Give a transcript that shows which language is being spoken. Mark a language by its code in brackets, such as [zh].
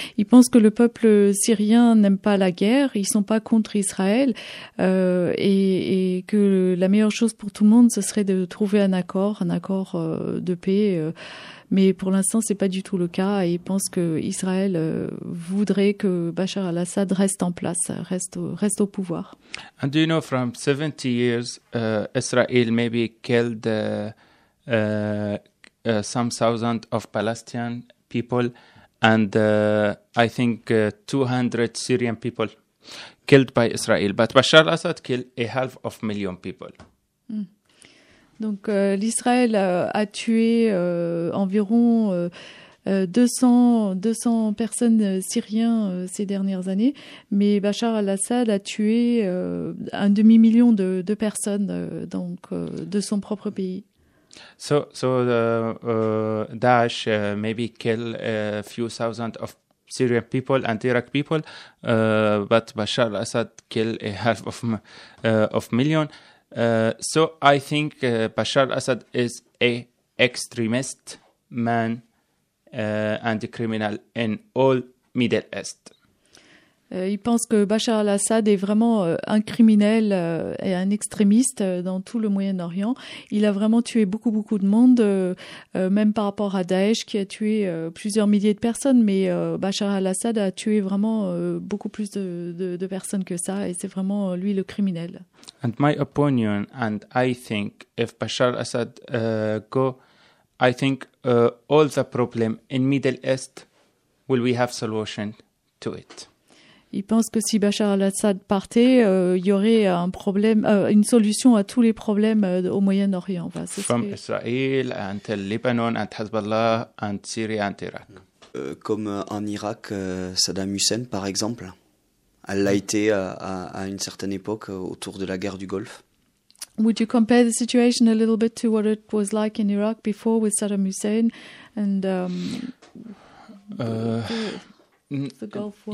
[fr] Il pense que le peuple syrien n'aime pas la guerre, ils sont pas contre Israël, et que la meilleure chose pour tout le monde, ce serait de trouver un accord de paix. Mais pour l'instant, c'est pas du tout le cas. Il pense que Israël voudrait que Bachar al-Assad reste en place, reste au pouvoir. [en] And do you know, from 70 years, Israel maybe killed some thousand of Palestinian people, and I think 200 Syrian people killed by Israel. But Bachar al-Assad killed a half of a million people. Mm. [fr] Donc l'Israël a tué environ 200 personnes syriennes ces dernières années, mais Bachar al-Assad a tué un demi-million de personnes de son propre pays. [en] So Daesh maybe kill a few thousand of Syrian people and Iraq people, but Bachar al-Assad kill a half of million. So I think Bashar al-Assad is a extremist man and a criminal in all Middle East. [fr] Il pense que Bachar al-Assad est vraiment un criminel et un extrémiste dans tout le Moyen-Orient. Il a vraiment tué beaucoup, beaucoup de monde, même par rapport à Daesh qui a tué plusieurs milliers de personnes. Mais Bachar al-Assad a tué vraiment beaucoup plus de personnes que ça et c'est vraiment lui le criminel. [en] And my opinion, and I think if Bachar al-Assad go, I think all the problems in Middle East, will we have solution to it? [fr] Il pense que si Bachar al-Assad partait, il y aurait un problème, une solution à tous les problèmes au Moyen-Orient. Enfin, c'est [en] From ce Israel until Lebanon and Hezbollah and Syria and Iraq. [fr] Comme en Irak, Saddam Hussein, par exemple, elle l'a été à une certaine époque autour de la guerre du Golfe. [en] Would you compare the situation a little bit to what it was like in Iraq before with Saddam Hussein and the Gulf War?